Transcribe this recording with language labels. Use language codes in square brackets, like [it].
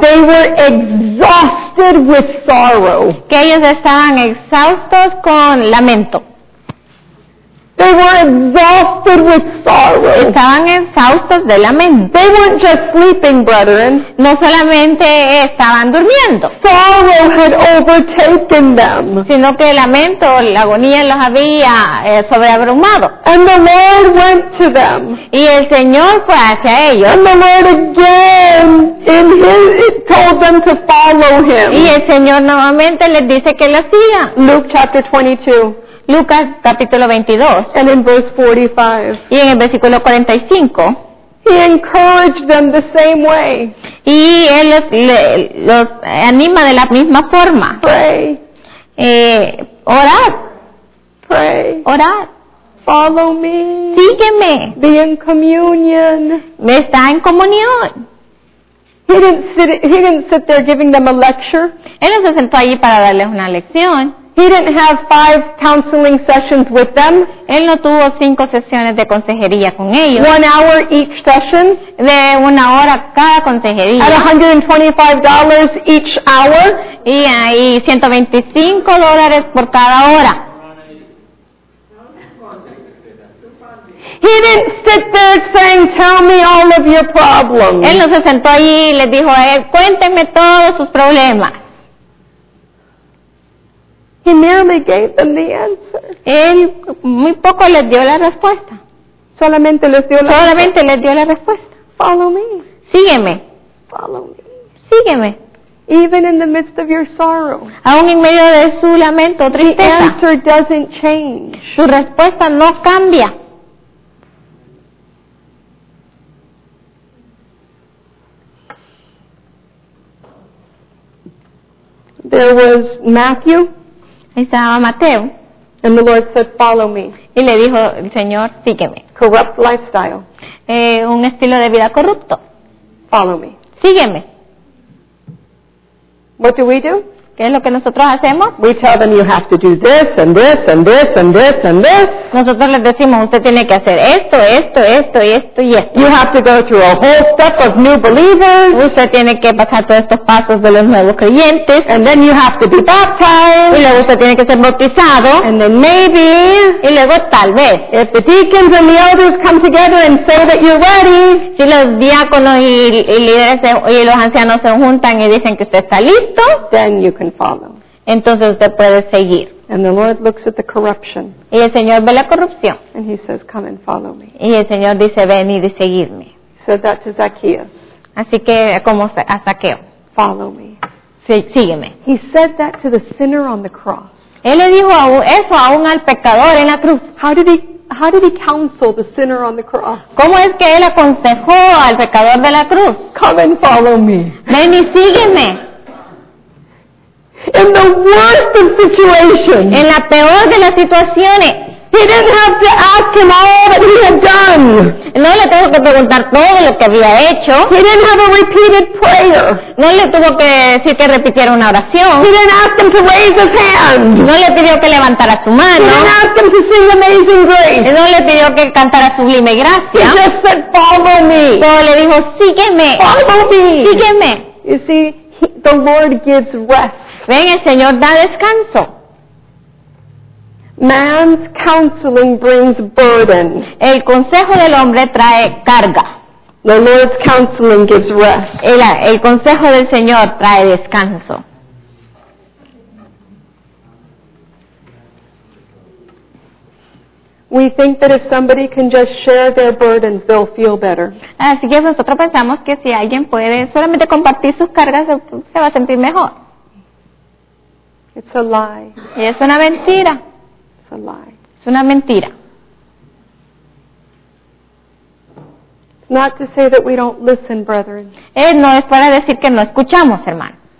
[en] They were exhausted with sorrow. [es] Que ellos estaban exhaustos con lamento. [en] They were exhausted with sorrow. [es] Estaban exhaustos de lamento. [en] They weren't just sleeping, brethren. [es] No solamente estaban durmiendo. [en] Sorrow had overtaken them. [es] Sino que el lamento, la agonía los había sobreabrumado. [en] And the Lord went to them. [es] Y el Señor fue hacia ellos. [en] And the Lord again in his, told them to follow him. [es] Y el Señor nuevamente les dice que lo siga. [en] Luke chapter 22. [es] Lucas capítulo 22. [en] And in verse 45. [es] Y en el versículo 45. [en] He encouraged them the same way. [es] Y él los anima de la misma forma. [en] Pray. [es] Orar. [en] Pray. [es] Orar. [en] Follow me. [es] Sígueme. [en] Be in communion. [es] Me está en comunión. [en] He didn't sit there giving them a lecture. [es] Él no se sentó allí para darles una lección. [en] He didn't have 5 counseling sessions with them. [es] Él no tuvo 5 sesiones de consejería con ellos. [en] 1 hour each session. [es] De una hora cada consejería. [en] At $125 each hour. [es] Y $125 por cada hora. [en] He didn't sit there saying, "Tell me all of your problems." [es] Él no se sentó allí y les dijo a él, cuéntenme todos sus problemas. [en] He merely gave them the answer. [es] Él muy poco les dio la respuesta. Solamente les dio la respuesta. [en] Follow me. [es] Sígueme. [en] Follow me. [es] Sígueme. [en] Even in the midst of your sorrow. [es] Aún en medio de su lamento, tristeza. [en] The answer doesn't change. [es] Su respuesta no cambia. [en] There was Matthew. [es] Estaba Mateo. [en] And the Lord said, "Follow me." [es] Y le dijo, Señor, sígueme. [en] Corrupt lifestyle. [es] Un estilo de vida corrupto. [en] Follow me. [es] Sígueme. [en] What do we do? [es] ¿Qué es lo que nosotros hacemos? [en] We tell them you have to do this and this and this and this and this. [es] Nosotros les decimos, usted tiene que hacer esto, esto, esto y esto y esto. [en] You have to go through a whole step of new believers. [es] Usted tiene que pasar todos estos pasos de los nuevos creyentes. [en] And then you have to be baptized. [es] Y luego usted tiene que ser bautizado. [en] And then maybe. [es] Y luego tal vez. [en] If the deacons and the elders come together and say that you're ready. [es] Si los diáconos y líderes y los ancianos se juntan y dicen que usted está listo. [en] Then you can follow. [es] Entonces usted puede seguir. [en] And the Lord looks at the corruption. [es] Y el Señor ve la corrupción. [en] And he says, "Come and follow me." [es] Y el Señor dice, "Ven y seguidme." [en] So that is Zacchaeus. [es] Así que como a Zaqueo. [en] Follow me. [es] Sígueme. [en] He said that to the sinner on the cross. [es] Él le dijo eso aún al pecador en la cruz. [en] How did he counsel the sinner on the cross? [es] ¿Cómo es que él aconsejó al pecador de la cruz? [en] "Come and follow me." [es] Ven y sígueme. [en] In the worst of situations. [es] En la peor de las situaciones. [en] He didn't have to ask him all that he had done. [es] No le tuvo que preguntar todo lo que había hecho. [en] He didn't have a repeated prayer. [es] No le tuvo que decir que repitiera una oración. [en] He didn't ask him to raise his hand. [es] No le pidió que levantara su mano. [en] He didn't ask him to sing Amazing Grace. [es] No le pidió que cantara Sublime Gracia. [en] He just said, "Follow me." [es] Todo le dijo, sígueme. [en] Follow me. [es] Sígueme. [en] You see, the Lord gives rest. [es] Ven, el Señor da descanso. [en] Man's counseling brings burden. [es] El consejo del hombre trae carga. [en] The Lord's counseling gives rest. [es] El consejo del Señor trae descanso. [en] We think that if somebody can just share their burdens, they'll feel better. [es] Así que nosotros pensamos que si alguien puede solamente compartir sus cargas, se va a sentir mejor. [en] It's a lie. [es] Y es una mentira. [en] It's a lie. [es] Es una mentira. [en] It's not to say that we don't listen, brethren. [es] No es para decir que no escuchamos, hermano.